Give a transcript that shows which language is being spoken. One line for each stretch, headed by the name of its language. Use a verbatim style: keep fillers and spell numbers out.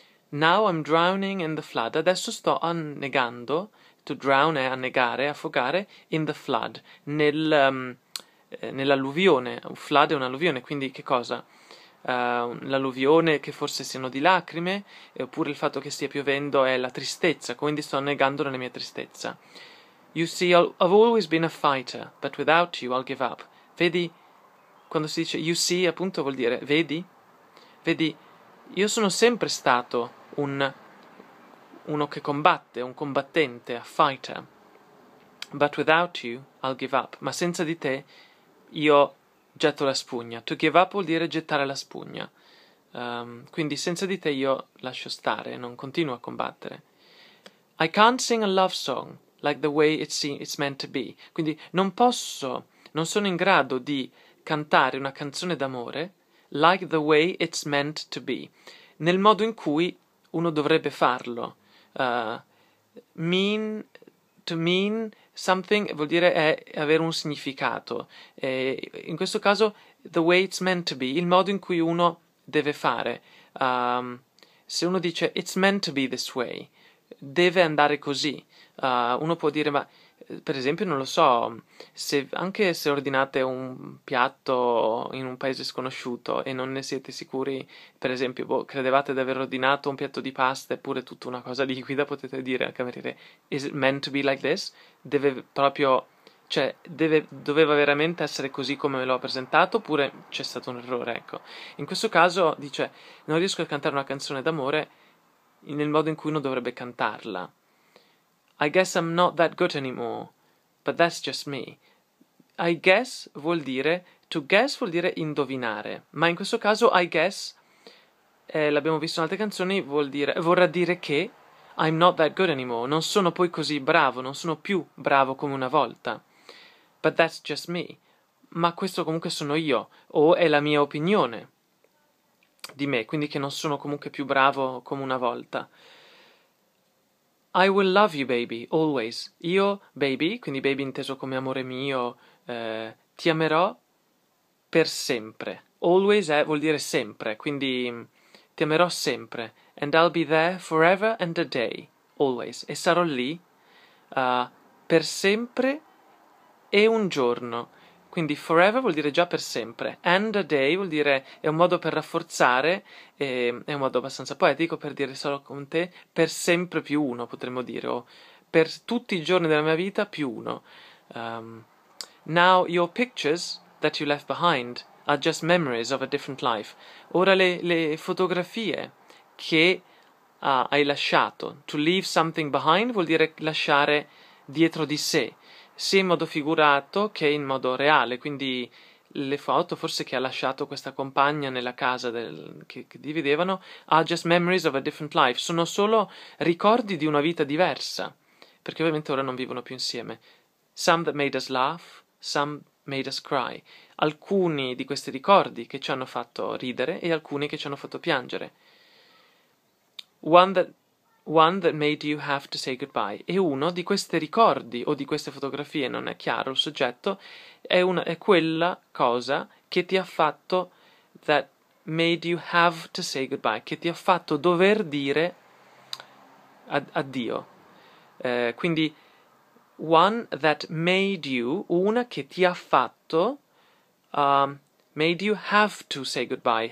English: Now I'm drowning in the flood,
Italian: adesso sto annegando,
English: to drown
Italian: è annegare, affogare,
English: in the flood,
Italian: nel, um, eh, nell'alluvione, un flood è un'alluvione, quindi che cosa? Uh, l'alluvione che forse siano di lacrime, eh, oppure il fatto che stia piovendo è la tristezza, quindi sto annegando nella mia tristezza.
English: You see, I'll, I've always been a fighter, but without you I'll give up.
Italian: Vedi, quando si dice
English: you see,
Italian: appunto vuol dire vedi, vedi, io sono sempre stato un uno che combatte, un combattente,
English: a fighter. But without you I'll give up.
Italian: Ma senza di te io getto la spugna.
English: To give up
Italian: vuol dire gettare la spugna. Um, quindi senza di te io lascio stare, non continuo a combattere.
English: I can't sing a love song like the way it's, it's meant to be.
Italian: Quindi non posso, non sono in grado di cantare una canzone d'amore
English: like the way it's meant to be.
Italian: Nel modo in cui uno dovrebbe farlo. Uh, mean...
English: To mean something
Italian: vuol dire è avere un significato. E in questo caso,
English: the way it's meant to be,
Italian: il modo in cui uno deve fare. Um, se uno dice
English: it's meant to be this way,
Italian: deve andare così. Uh, uno può dire, ma per esempio, non lo so, se, anche se ordinate un piatto in un paese sconosciuto e non ne siete sicuri, per esempio, boh, credevate di aver ordinato un piatto di pasta eppure tutta una cosa liquida, potete dire al cameriere,
English: is it meant to be like this?
Italian: Deve proprio, cioè, deve, doveva veramente essere così come me l'ho presentato oppure c'è stato un errore, ecco. In questo caso dice, non riesco a cantare una canzone d'amore nel modo in cui uno dovrebbe cantarla.
English: I guess I'm not that good anymore, but that's just me. I guess
Italian: vuol dire,
English: to guess
Italian: vuol dire indovinare, ma in questo caso I guess, eh, l'abbiamo visto in altre canzoni, vuol dire, vorrà dire che
English: I'm not that good anymore,
Italian: non sono poi così bravo, non sono più bravo come una volta.
English: But that's just me,
Italian: ma questo comunque sono io, o è la mia opinione di me, quindi che non sono comunque più bravo come una volta.
English: I will love you, baby, always.
Italian: Io, baby, quindi baby inteso come amore mio, eh, ti amerò per sempre. Always è, vuol dire sempre, quindi ti amerò sempre.
English: And I'll be there forever and a day, always.
Italian: E sarò lì uh, per sempre e un giorno. Quindi
English: forever
Italian: vuol dire già per sempre.
English: And a day
Italian: vuol dire è un modo per rafforzare, eh, è un modo abbastanza poetico per dire solo con te, per sempre più uno potremmo dire, o per tutti i giorni della mia vita più uno. Um,
English: now your pictures that you left behind are just memories of a different life.
Italian: Ora le, le fotografie che ah, hai lasciato,
English: to leave something behind
Italian: vuol dire lasciare dietro di sé, sia in modo figurato che in modo reale, quindi le foto forse che ha lasciato questa compagna nella casa del, che, che dividevano,
English: are just memories of a different life,
Italian: sono solo ricordi di una vita diversa, perché ovviamente ora non vivono più insieme.
English: Some that made us laugh, some made us cry.
Italian: Alcuni di questi ricordi che ci hanno fatto ridere e alcuni che ci hanno fatto piangere.
English: One that, one that made you have to say goodbye.
Italian: E uno di questi ricordi o di queste fotografie, non è chiaro il soggetto, è, una, è quella cosa che ti ha fatto,
English: that made you have to say goodbye,
Italian: che ti ha fatto dover dire ad, addio. Eh, quindi
English: one that made you,
Italian: una che ti ha fatto, um,
English: made you have to say goodbye.